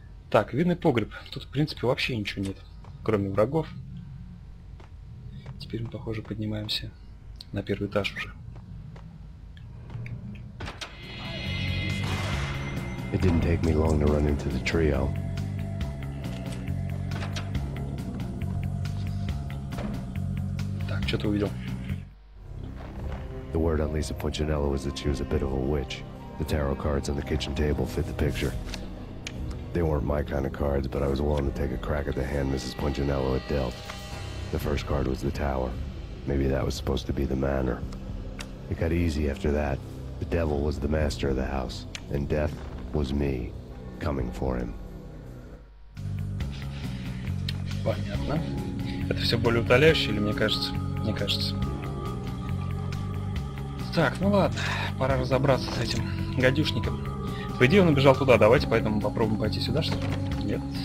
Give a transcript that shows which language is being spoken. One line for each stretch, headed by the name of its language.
Russian: Так, винный погреб. Тут, в принципе, вообще ничего нет, кроме врагов. Теперь мы, похоже, поднимаемся на первый этаж уже.
English: It didn't take me long to run into the trio.
Russian: Так, что-то увидел.
English: The word on Lisa Punchinello was that she was a bit of a witch. The tarot cards on the kitchen table fit the picture. They weren't my kind of cards, but I was willing to take a crack at the hand Mrs. Punchinello had dealt. The first card was the tower. Maybe that was supposed to be the manor. It got easy after that. The devil was the master of the house, and death was me coming for him.
Russian: Понятно. Это все более утоляющее, или мне кажется. Так, ну ладно, пора разобраться с этим гадюшником. По идее, он убежал туда, давайте поэтому попробуем пойти сюда, что ли? Нет.